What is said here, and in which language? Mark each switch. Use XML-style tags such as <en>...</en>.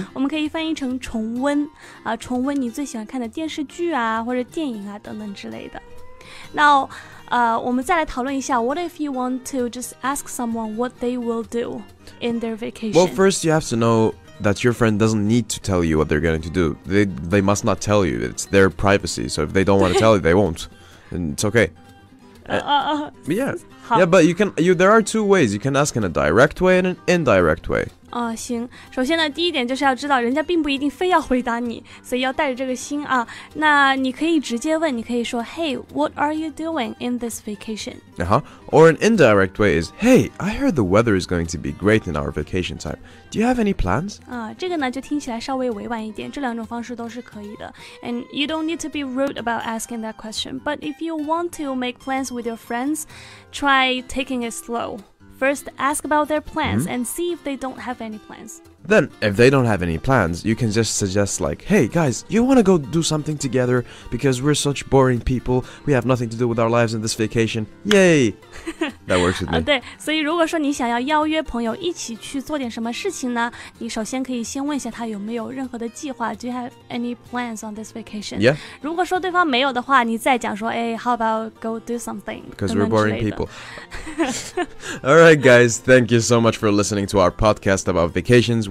<zh>我们可以翻译成重温啊，重温你最喜欢看的电视剧啊，或者电影啊等等之类的。</zh> <en>Now,</en> <zh>我们再来讨论一下</zh> <en>What if you want to just ask someone what they will do in their vacation? Well, first you have to know that your friend doesn't need to tell you what they're going to do. They must not tell you. It's their privacy. So if they don't want to tell you, they won't. And it's okay. But yeah. Yeah, but there are two ways. You can ask in a direct way and an indirect way.</en> <zh>哦，行，首先呢，第一点就是要知道人家并不一定非要回答你，所以要带着这个心啊。那你可以直接问，你可以说</zh> <en>Hey, what are you doing in this vacation? Or an indirect way is Hey, I heard the weather is going to be great in our vacation time. Do you have any plans?</en> <zh>这个呢就听起来稍微委婉一点，这两种方式都是可以的。</zh> <en>And you don't need to be rude about asking that question. But if you want to make plans with your friends, try taking it slow. First, ask about their plans、mm-hmm. and see if they don't have any plans. Then, if they don't have any plans, you can just suggest like, Hey guys, you want to go do something together? Because we're such boring people, we have nothing to do with our lives in this vacation. Yay! That works with me.</en> <zh>对，所以如果说你想要邀约朋友一起去做点什么事情呢，你首先可以先问一下他有没有任何的计划。</zh> <en>Do you have any plans on this vacation? Yeah.</en> <zh>如果说对方没有的话，你再讲说，哎，</zh> <en>how about go do something? Because we're boring people. All right, guys. Thank you so much for listening to our podcast about vacations.</en>